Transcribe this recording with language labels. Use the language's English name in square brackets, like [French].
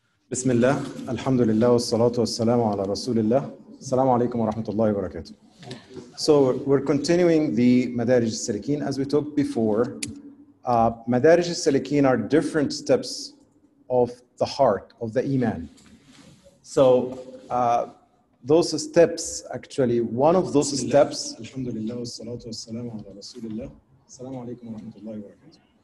[Arabic] بسم الله، الحمد لله والصلاة والسلام على رسول الله. السلام عليكم ورحمة الله وبركاته. [English] So we're continuing the مدارج السلكين. As we talked before, مدارج السلكين are different steps of the heart, of the iman. So those steps, actually, one of those steps... [Arabic] الحمد لله والصلاة والسلام على رسول الله. السلام عليكم ورحمة الله وبركاته.